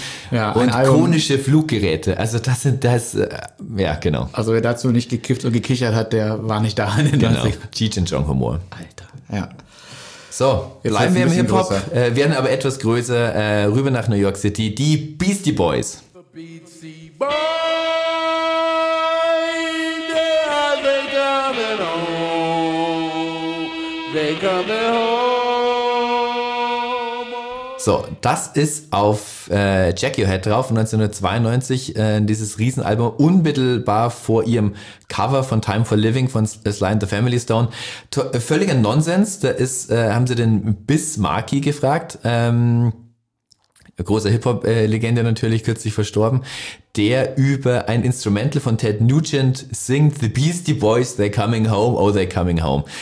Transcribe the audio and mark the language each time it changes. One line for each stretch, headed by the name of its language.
German: Ja, und konische Fluggeräte. Also das sind das, ja genau. Also wer dazu nicht gekifft und gekichert hat, der war nicht da. In genau, Cheech and Chong Humor. Alter. Ja. So, jetzt bleiben wir im Hip-Hop, werden aber etwas größer, rüber nach New York City. Die Beastie Boys.
English: The Beastie Boys, they coming home, they coming home.
German: So, das ist auf Jack Your Head drauf, 1992, dieses Riesenalbum, unmittelbar vor ihrem Cover von Time for Living von Sly and the Family Stone. Völliger Nonsens, da ist, haben sie den Biz Markie gefragt, große Hip-Hop-Legende natürlich, kürzlich verstorben, der über ein Instrumental von Ted Nugent singt,
English: The Beastie Boys, They Coming Home,
German: Oh, They Coming Home.